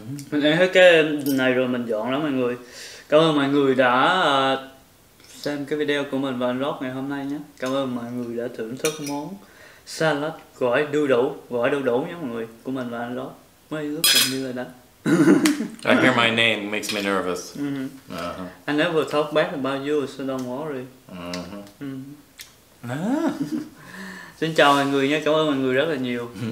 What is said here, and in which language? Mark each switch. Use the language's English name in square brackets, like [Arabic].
[Vietnamese] Mình ăn hết cái này rồi mình dọn lắm mọi người. Cảm ơn mọi người đã xem cái video của mình và anh Rob ngày hôm nay nhé. Cảm ơn mọi người đã thưởng thức món salad gỏi đu đủ, gỏi đu đủ nhé mọi người, của mình và anh Rob. Mấy lúc mình như là đã. [English] I hear my name makes me nervous. Mm-hmm. Uh-huh. I never talk bad about you, so don't worry. Uh-huh. Mm-hmm. [Vietnamese] Xin chào mọi người nha, cảm ơn mọi người rất là nhiều.